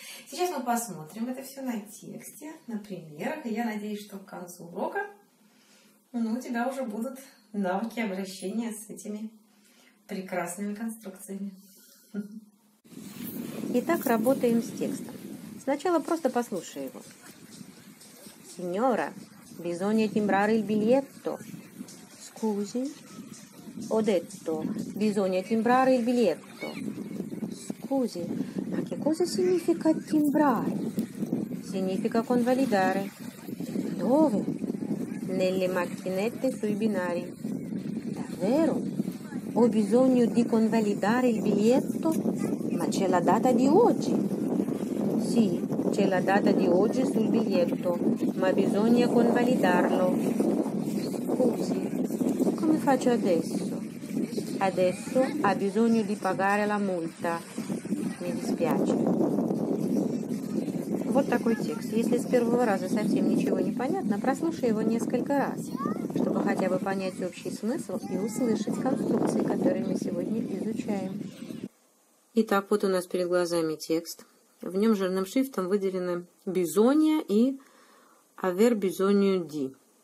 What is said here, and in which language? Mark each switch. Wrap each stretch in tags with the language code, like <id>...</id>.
<ru>Сейчас мы посмотрим это все на тексте, на примерах. Я надеюсь, что к концу урока у тебя уже будут навыки обращения с этими прекрасными конструкциями. Итак, работаем с текстом. Сначала просто послушай его.</ru> <it>«Signora, bisogna timbrare il biglietto». «Scusi». «Ho detto, bisogna timbrare il biglietto». «Scusi, ma che cosa significa timbrare?» «Significa convalidare». «Dove?» «Nelle macchinette sui binari». «Davvero? Ho bisogno di convalidare il biglietto?» «Ma c'è la data di oggi?» «Sì, c'è la data di oggi sul biglietto, ma bisogna convalidarlo». «Scusi, come faccio adesso?» «Adesso ha bisogno di pagare la multa». «Mi dispiace».</it> <ru>Вот такой текст. Если с первого раза совсем ничего не понятно, прослушай его несколько раз, чтобы хотя бы понять общий смысл и услышать конструкции, которые мы сегодня изучаем. Итак, вот у нас перед глазами текст. В нем жирным шрифтом выделены «bisogna» и «aver bisogno di».</ru>